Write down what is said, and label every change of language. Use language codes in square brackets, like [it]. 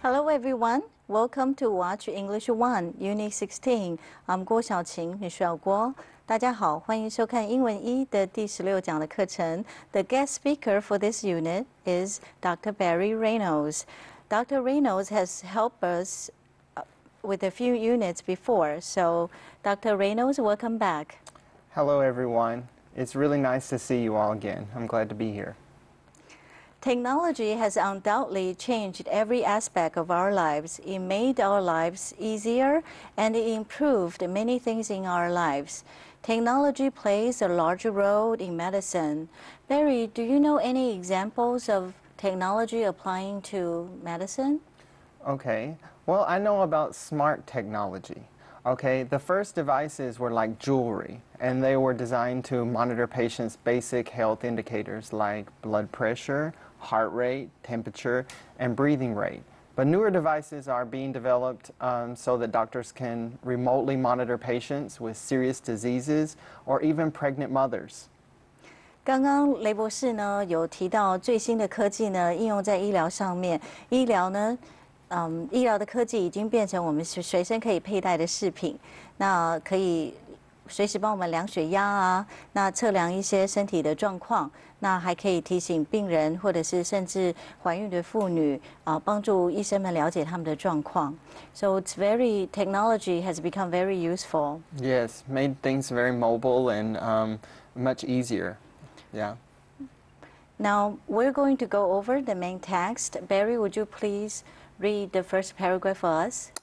[en] Everyone, welcome to Watch English One, Unit 16. [zh] I'm 郭小晴，你是小郭。大家好，欢迎收看英文一的第十六讲的课程。 [en] The guest speaker for this unit is Dr. Barry Reynolds. Dr. Reynolds has helped us with a few units before, so Dr. Reynolds, welcome back. Hello, everyone. It's really nice to see you all again. I'm glad to be here. Technology has undoubtedly changed every aspect of our lives. It made our lives easier and it improved many things in our lives. Technology plays a large role in medicine. Barry, do you know any examples of technology applying to medicine? Okay, well, I know about smart technology. Okay, the first devices were like jewelry, and they were designed to monitor patients' basic health indicators like blood pressure,heart rate, temperature, and breathing rate. But newer devices are being developed so that doctors can remotely monitor patients with serious diseases or even pregnant mothers. [zh] 刚刚雷博士呢有提到最新的科技呢应用在医疗上面，医疗呢，医疗的科技已经变成我们随身可以佩戴的饰品，那可以随时帮我们量血压啊，那测量一些身体的状况，那还可以提醒病人或者是甚至怀孕的妇女啊，帮助医生们了解他们的状况。 [en] So it's very technology has become very useful. Yes, made things very mobile and much easier. Yeah. Now we're going to go over the main text. Barry, would you please read the first paragraph for us?